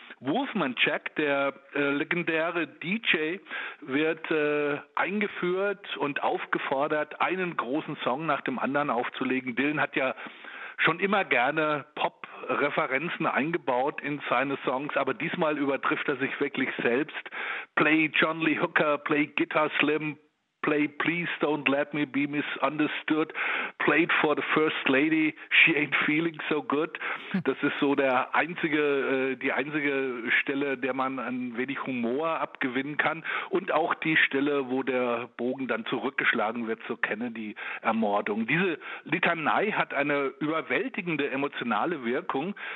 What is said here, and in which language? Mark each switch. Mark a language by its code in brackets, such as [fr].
[de] Wolfman Jack, der legendäre DJ, wird eingeführt und aufgefordert, einen großen Song nach dem anderen aufzulegen. Dylan hat ja schon immer gerne Pop-Referenzen eingebaut in seine Songs, aber diesmal übertrifft er sich wirklich selbst. [en] Play John Lee Hooker, play Guitar Slim, play Please Don't Let Me Be Misunderstood, played for the First Lady, She Ain't Feeling So Good. [de] Das ist so die einzige Stelle, der man ein wenig Humor abgewinnen kann. Und auch die Stelle, wo der Bogen dann zurückgeschlagen wird zur Kennedy-Ermordung. Diese Litanei hat eine überwältigende emotionale Wirkung.